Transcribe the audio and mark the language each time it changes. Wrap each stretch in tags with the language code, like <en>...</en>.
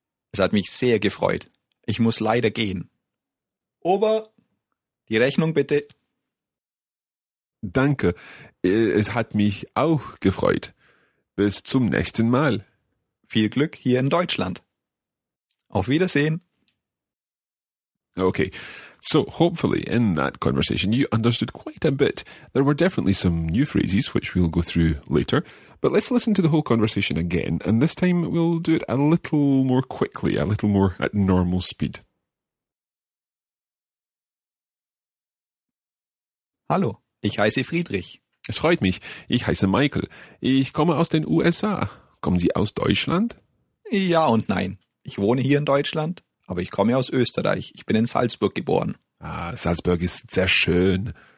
<de>Es hat mich sehr gefreut. Ich muss leider gehen. Ober, die Rechnung bitte. Danke, es hat mich auch gefreut. Bis zum nächsten Mal. Viel Glück hier in Deutschland. Auf Wiedersehen.</de> <en>Okay, so hopefully in that conversation you understood quite a bit. There were definitely some new phrases which we'll go through later, but let's listen to the whole conversation again, and this time we'll do it a little more quickly, a little more at normal speed.</en> <de>Hallo, ich heiße Friedrich. Es freut mich. Ich heiße Michael. Ich komme aus den USA. Kommen Sie aus Deutschland? Ja und nein. Ich wohne hier in Deutschland, aber ich komme aus Österreich. Ich bin in Salzburg geboren. Ah, Salzburg ist sehr schön.</de>